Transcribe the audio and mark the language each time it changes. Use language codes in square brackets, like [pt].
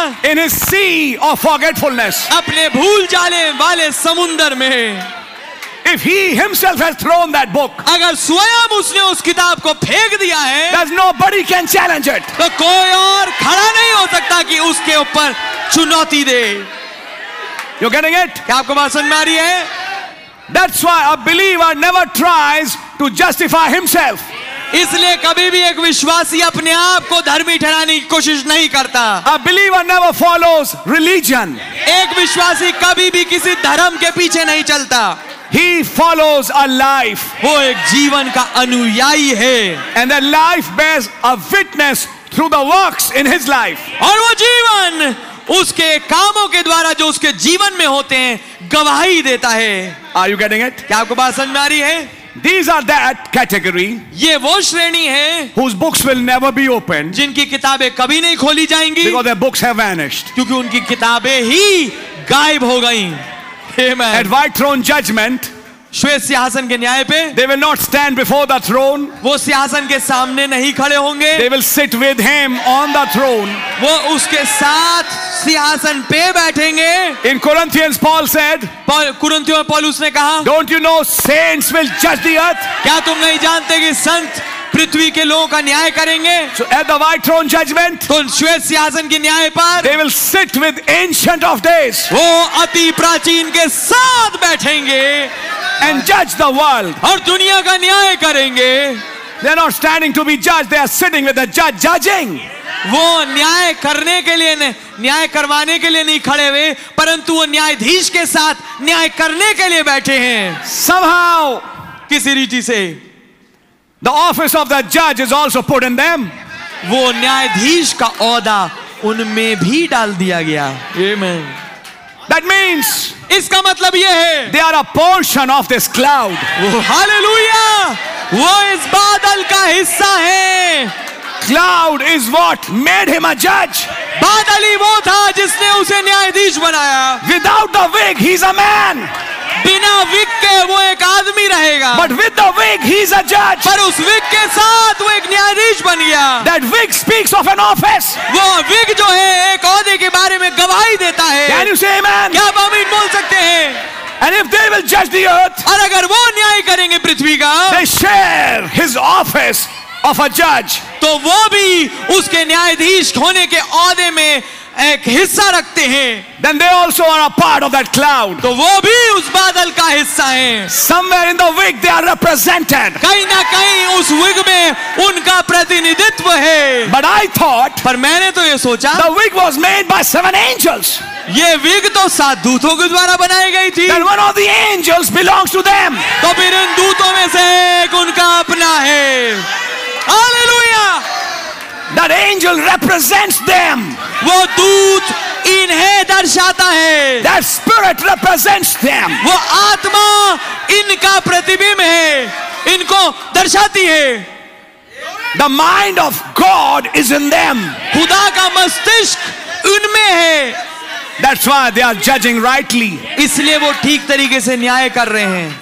[en] In a sea of forgetfulness. [hi] अपने भूल जाने वाले समुंदर में. [en] If he himself has thrown that book. [hi] अगर स्वयं उसने उस किताब को फेंक दिया है. [en] There's nobody can challenge it. [hi] तो कोई और खड़ा नहीं हो सकता कि उसके ऊपर चुनौती दे. [en] You're getting it? [hi] क्या आपको बात समझ में आ रही है? [en] That's why a believer never tries to justify himself. [hi] इसलिए कभी भी एक विश्वासी अपने आप को धर्मी ठहराने की कोशिश नहीं करता. [en] A believer never follows religion. [hi] एक विश्वासी कभी भी किसी धर्म के पीछे नहीं चलता. [en] He follows a life. [hi] वो एक जीवन का अनुयायी है. [en] And the life bears a witness through the works in his life. [hi] और वो जीवन उसके कामों के द्वारा जो उसके जीवन में होते हैं गवाही देता है. [en] Are you getting it? [hi] क्या आपको बात समझ में आ रही है? [en] These are that category. [hi] ये वो श्रेणी है. [en] Whose books will never be opened. [hi] जिनकी किताबें कभी नहीं खोली जाएंगी. [en] Because their books have vanished. [hi] क्योंकि उनकी किताबें ही गायब हो गईं. Amen. [en] At white throne judgment. [hi] श्वेत सिंहासन के न्याय पे. [en] They will not stand before the throne. [hi] वो सिंहासन के सामने नहीं खड़े होंगे. [en] They will sit with him on the throne. [hi] वो उसके साथ सिंहासन पे बैठेंगे. [en] In Corinthians, Paul said. [hi] कुरिन्थियों में पौलुस ने कहा. [en] Don't you know saints will judge the earth? [hi] क्या तुम नहीं जानते कि संत पृथ्वी के लोगों का न्याय करेंगे. [en] So at the white throne judgment, [hi] तो श्वेत सिंहासन के न्याय पर, [en] they will sit with ancient of days. [hi] वो अति प्राचीन के साथ बैठेंगे. [en] And judge the world. [hi] और दुनिया का न्याय करेंगे. [en] They are not standing to be judged. They are sitting with the judge judging. [hi] वो न्याय करने के लिए नहीं, न्याय करवाने के लिए नहीं खड़े हुए, परंतु वो न्यायाधीश के साथ न्याय करने के लिए बैठे हैं. [en] Somehow, [hi] किसी रीति से, [en] the office of the judge is also put in them. [hi] वो न्यायाधीश का ओहदा उनमें भी डाल दिया गया. [en] Amen. That means, [hi] इसका मतलब ये है, [en] they are a portion of this cloud. [hi] Hallelujah! वो इस बादल का हिस्सा है. [en] Cloud is what made him a judge. [hi] बादल ही वो था जिसने उसे न्यायाधीश बनाया. [en] Without the wig, he's a man. [hi] बिना विग के वो एक आदमी रहेगा. [en] But with the wig, he's a judge. [hi] पर उस विग के साथ वो एक न्यायाधीश बन गया. [en] That wig speaks of an office. [hi] वो विग जो है एक ओहदे के बारे में गवाही देता है. [en] Can you say amen? [hi] क्या आप आमीन बोल सकते हैं? [en] And if they will judge the earth, [hi] और अगर वो न्याय करेंगे पृथ्वी का, [en] they share his office of a judge. [hi] तो वो भी उसके न्यायाधीश होने के ओहदे में एक हिस्सा रखते हैं. [en] Then they also are a part of that cloud. [hi] तो वो भी उस बादल का हिस्सा हैं. [en] Somewhere in the wig they are represented. [hi] कहीं ना कहीं उस विग में उनका प्रतिनिधित्व है. [en] But I thought, [hi] पर मैंने तो ये सोचा, [en] the wig was made by seven angels. [hi] ये विग तो सात दूतों के द्वारा बनाई गई थी. [en] Then one of the angels belongs to them. [hi] तो फिर इन दूतों में से एक उनका अपना है. [en] Hallelujah! That angel represents them. [hi] वो दूत इन्हें दर्शाता है. [en] That spirit represents them. [hi] वो आत्मा इनका प्रतिबिंब है, इनको दर्शाती है. [en] The mind of God is in them. [hi] खुदा का मस्तिष्क इनमें है. [en] That's why they are judging rightly. [hi] इसलिए वो ठीक तरीके से न्याय कर रहे हैं.